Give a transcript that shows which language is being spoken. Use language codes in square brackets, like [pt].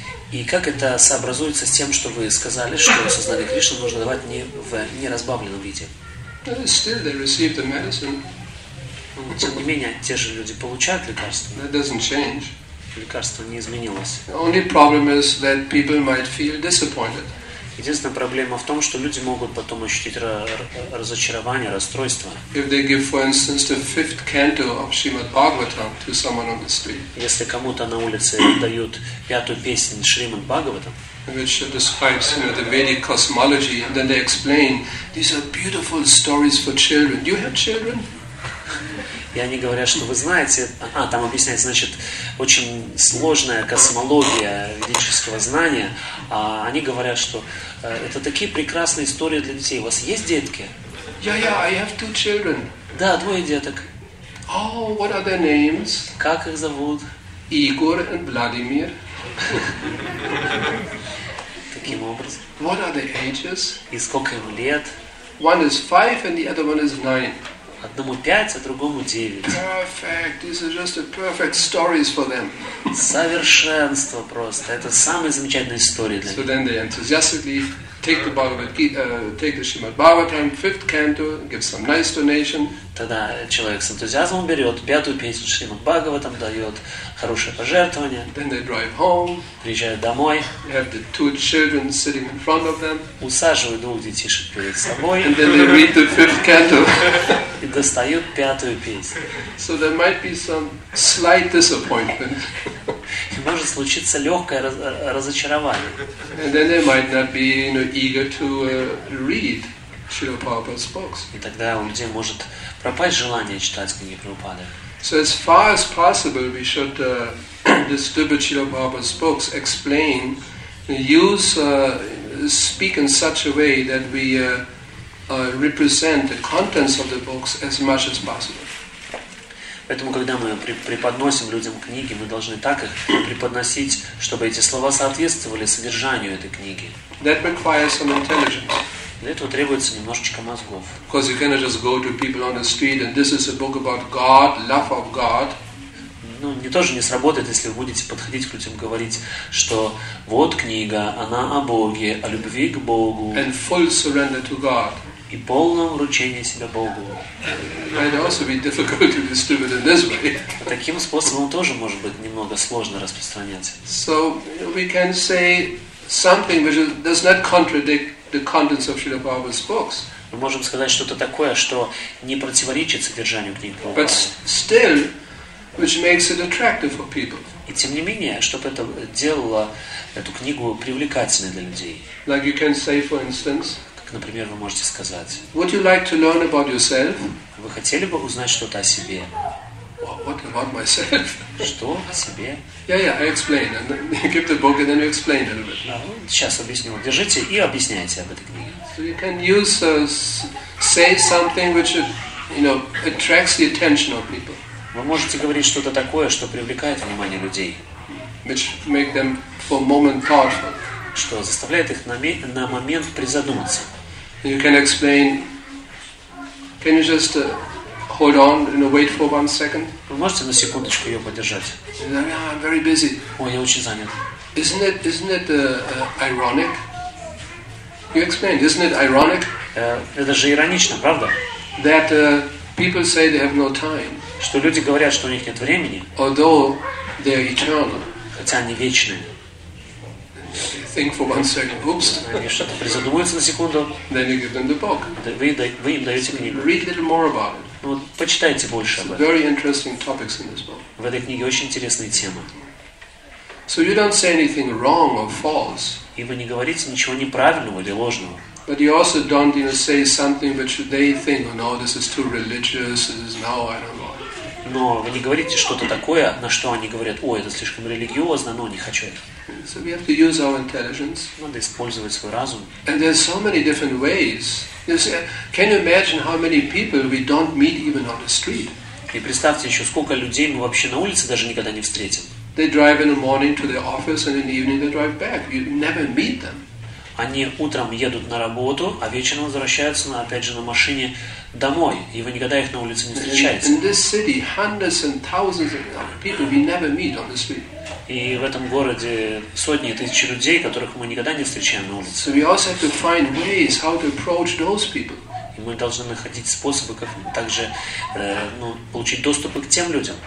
[ru] И как это сообразуется с тем, что вы сказали, что сознание Кришны нужно давать не в неразбавленном виде? Но, тем не менее, те же люди получают лекарства. [en] That doesn't change. [ru] Лекарство не изменилось. [en] Only problem is that people might feel disappointed. [ru] Единственная проблема в том, что люди могут потом ощутить разочарование, расстройство. [en] If they give, for instance, the fifth canto of Srimad Bhagavatam to someone on the street. [ru] Если кому-то на улице дают пятую песню Шримад Бхагаватам, [en] which describes, you know, the Vedic cosmology, and then they explain, these are beautiful stories for children. Do you have children? [ru] И они говорят, что вы знаете, там объясняется, значит, очень сложная космология ведического знания, а они говорят, что это такие прекрасные истории для детей. У вас есть детки? [en] I have two children. [ru] Да, двое деток. [en] Oh, what are their names? [ru] Как их зовут? Игорь и Владимир. Таким образом. [en] What are their ages? [ru] И сколько им лет? [en] One is 5 and the other one is 9. [ru] Одному 5, а другому 9. [en] Perfect. These are just the perfect stories for them. [ru] Совершенство просто. Это самые замечательные истории для них. [en] So then they enthusiastically take the Bhagavad Gita, take the Srimad Bhagavatam, fifth canto, give some nice donation. [ru] Тогда человек с энтузиазмом берет пятую песню Шримад Бхагаватам, дает хорошее пожертвование. [en] Then they drive home. [ru] Приезжают домой. [en] They have the two children sitting in front of them. [ru] Усаживают двух детишек перед собой. [en] And then they read the fifth canto. [ru] И достают пятую песню. [en] So there might be some slight disappointment. [ru] И может случиться легкое разочарование. [en] And then they might not be, you know, eager to read Srila Prabhupada's books. [ru] И тогда у людей может пропасть желание читать книги Прабхупады. [en] So as far as possible, we should distribute Srila Prabhupada's books, explain, speak in such a way that we represent the contents of the books as much as possible. [ru] Поэтому, когда мы преподносим людям книги, мы должны так их преподносить, чтобы эти слова соответствовали содержанию этой книги. [en] That requires some intelligence. [ru] Для этого требуется немножечко мозгов. [en] Because you cannot just go to people on the street and this is a book about God, love of God. [ru] Ну, не тоже не сработает, если вы будете подходить к людям, говорить, что вот книга, она о Боге, о любви к Богу. [en] And full surrender to God. [ru] И полное вручение себя Богу. [en] Might also be difficult to distribute in this way. [ru] Таким способом тоже может быть немного сложно распространять. [en] So we can say something which does not contradict the contents of Srila Prabhupada's books. [ru] Мы можем сказать что-то такое, что не противоречит содержанию книг Прабхупады. [en] But still, which makes it attractive for people. [ru] И тем не менее, чтобы это делало эту книгу привлекательной для людей. [en] Like you can say, for instance. [ru] Как, например, вы можете сказать. [en] Would you like to learn about yourself? [ru] Вы хотели бы узнать что-то о себе? [en] What about myself? [ru] Что о себе? [en] Yeah, I explain. And then you give the book and then you explain a little bit. [ru] Сейчас объясню. Держите и объясняйте об этой книге. [en] So you can use say something which, you know, attracts the attention of people. [ru] Вы можете говорить что-то такое, что привлекает внимание людей. [en] Which make them for a moment thoughtful. [ru] Что заставляет их на момент призадуматься. [en] You can explain. Can you just hold on and wait for one second? [ru] Вы можете на секундочку ее подержать? [en] No, I'm very busy. [ru] Ой, я очень занят. [en] Isn't it ironic? You explain. Isn't it ironic? [ru] Это же иронично, правда? [en] That people say they have no time. [ru] Что люди говорят, что у них нет времени. [en] Although they are eternal. [ru] Хотя они вечные. [en] Think for one second. Oops. [ru] Они что-то призадумываются на секунду. [en] Then you give them the book. [ru] Вы им даете книгу. [en] Read a little more about it. [ru] Ну, вот, почитайте больше [en] It's [ru] об этом. [en] Very interesting topics in this book. [ru] В этой книге очень интересные темы. [en] So you don't say anything wrong or false. [ru] И вы не говорите ничего неправильного или ложного. [en] But you also don't, you know, say something which they think, oh, no, this is too religious, this is now, I don't know. [ru] Но вы не говорите что-то такое, на что они говорят: «О, это слишком религиозно, но не хочу это». [en] So we have to use our intelligence. [ru] Надо использовать свой разум. [en] And there's so many different ways. You see, can you imagine how many people we don't meet even on the street? [ru] И представьте еще, сколько людей мы вообще на улице даже никогда не встретим. [en] They drive in the morning to their office, and in the evening they drive back. You never meet them. [ru] Они утром едут на работу, а вечером возвращаются на, опять же, на машине домой, и вы никогда их на улице не встречаете. [en] In this city, hundreds and thousands of people we never meet on the street. [ru] И в этом городе сотни тысяч людей, которых мы никогда не встречаем на улице. [en] So we also have to find ways how to approach those people. [ru] И мы должны находить способы, как также получить доступ к тем людям.